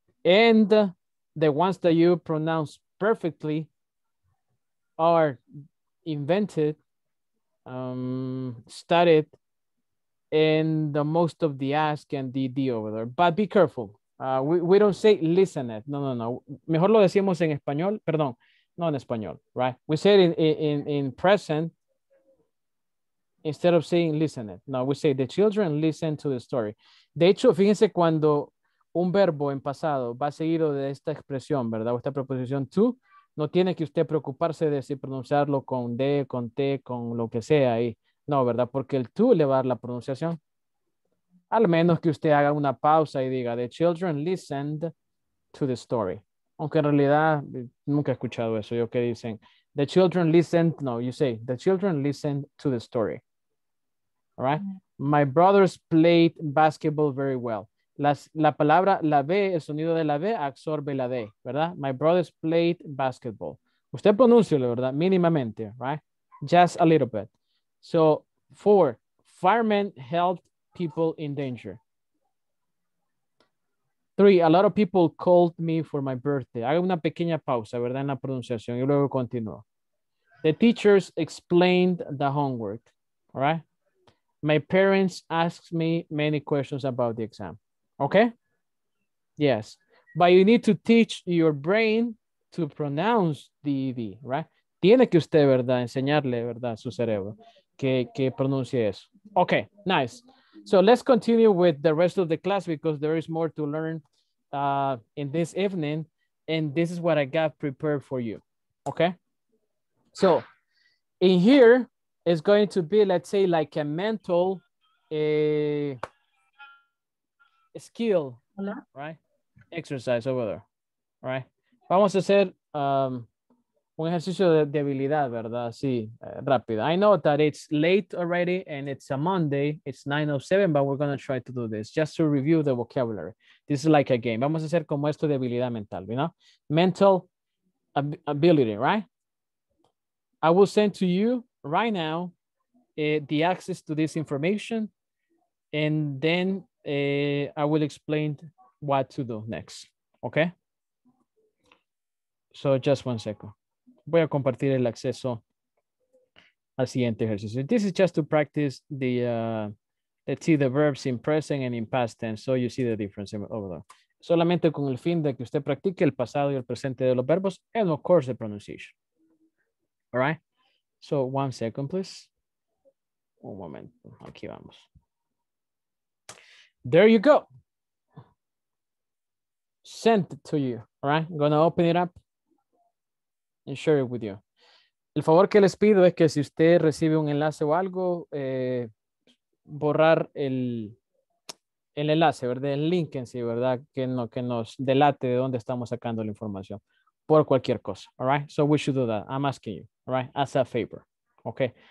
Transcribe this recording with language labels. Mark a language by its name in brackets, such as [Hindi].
[English] And the ones that you pronounce perfectly are invented, studied, and most of the ask and the D over there. But be careful. We don't say listen it. No, no, no. [Spanish] Mejor lo decimos en español. Perdón, no en español, right? [English] We say it in present instead of saying listen it. No, we say the children listen to the story. [Spanish] De hecho, fíjense cuando un verbo en pasado va seguido de esta expresión, ¿verdad? O esta preposición to, no tiene que usted preocuparse de si pronunciarlo con D, con T, con lo que sea ahí. No, ¿verdad? Porque el to le va a dar la pronunciación. Al menos que usted haga una pausa y diga, [English] the children listened to the story. [Spanish] Aunque en realidad nunca he escuchado eso. Yo que dicen, [English] the children listened, no, you say, the children listened to the story. All right? My brothers played basketball very well. [Spanish] La palabra, la B, el sonido de la B, absorbe la D, ¿verdad? [English] My brothers played basketball. [Spanish] Usted pronúncialo, ¿verdad? [English] Mínimamente, right? Just a little bit. So, four, firemen helped people in danger. Three, a lot of people called me for my birthday. [Spanish] Haga una pequeña pausa, ¿verdad? En la pronunciación y luego continúo. [English] The teachers explained the homework, all right? My parents asked me many questions about the exam. Okay? Yes. But you need to teach your brain to pronounce the ED, right? Tiene que usted, ¿verdad? Enseñarle, ¿verdad? Su cerebro que pronuncie eso. Okay, nice. So let's continue with the rest of the class because there is more to learn in this evening. And this is what I got prepared for you. Okay? So in here is going to be, let's say, like a mental skill, right? Exercise over there, right? [Spanish] Vamos a hacer un ejercicio de habilidad, ¿verdad? Sí, rápida. [English] I know that it's late already and it's a Monday. It's 9:07, but we're going to try to do this just to review the vocabulary. This is like a game. [Spanish] Vamos a hacer como esto de habilidad mental, [English] you know? Mental ability, right? I will send to you right now the access to this information and then I will explain what to do next, okay? So just one second. [Spanish] Voy a compartir el acceso al siguiente ejercicio. [English] This is just to practice the, let's see the verbs in present and in past tense. So you see the difference over there. [Spanish] Solamente con el fin de que usted practique el pasado y el presente de los verbos [English] and of course the pronunciation. All right. So one second, please. [Spanish] Un momento. Aquí vamos. [English] There you go. Sent to you. All right. I'm going to open it up and share it with you. [Spanish] El favor que les pido es que si usted recibe un enlace o algo, borrar el enlace, ¿verdad? El link en sí, ¿verdad? Que nos delate de dónde estamos sacando la información por cualquier cosa. [English] All right? So we should do that. I'm asking you. All right? As a favor. Okay.